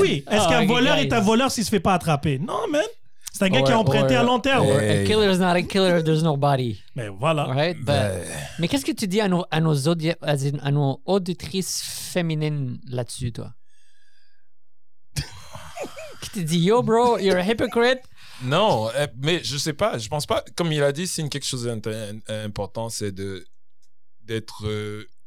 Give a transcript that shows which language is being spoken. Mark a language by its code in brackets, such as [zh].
[fr] Mais oui, est-ce qu'un voleur est un voleur s'il se fait pas attraper? Non, man. C'est un gars qui a emprunté à long terme. [en] A killer is not a killer if there's no body. [fr] Mais voilà. [en] Right? [fr] Mais qu'est-ce que tu dis à nos auditrices féminines là-dessus, toi? Tu dis [en] yo bro, you're a hypocrite. [fr] Non, mais je sais pas, je pense pas. Comme il a dit, c'est quelque chose d'important, c'est d'être.